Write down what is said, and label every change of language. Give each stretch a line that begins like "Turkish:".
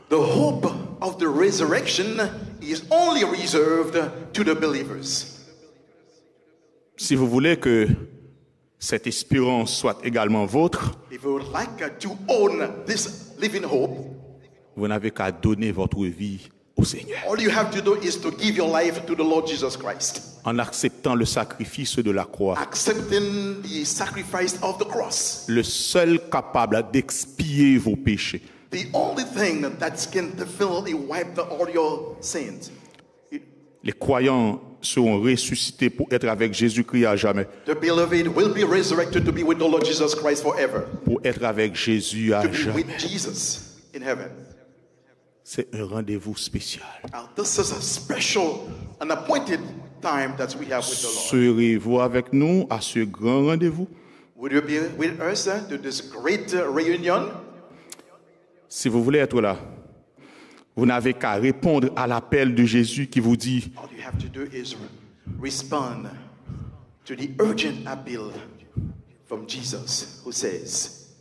English: The hope of the resurrection is only reserved to the believers.
French: Si vous voulez que cette espérance soit également vôtre,
English: if you would like to own this living hope,
French: vous n'avez qu'à donner votre vie au Seigneur.
English: All you have to do is to give your life to the Lord Jesus Christ.
French: En acceptant le sacrifice de la croix.
English: Accepting the sacrifice of the cross.
French: Le seul capable d'expier vos péchés.
English: The only thing that can definitely wipe all your sins.
French: Les croyants seront ressuscités pour être avec Jésus-Christ à jamais.
English: The believed will be resurrected to be with the Lord Jesus Christ forever.
French: Pour être avec Jésus à jamais.
English: To be with Jesus in heaven.
French: C'est un rendez-vous spécial.
English: Now, this is a special, an appointed time that we have with the Lord.
French: Serez-vous avec nous à ce grand rendez-vous?
English: Would you be with us to this great reunion?
French: Si vous voulez être là, vous n'avez qu'à répondre à l'appel de Jésus qui vous dit.
English: All you have to do is respond to the urgent appeal from Jesus who says,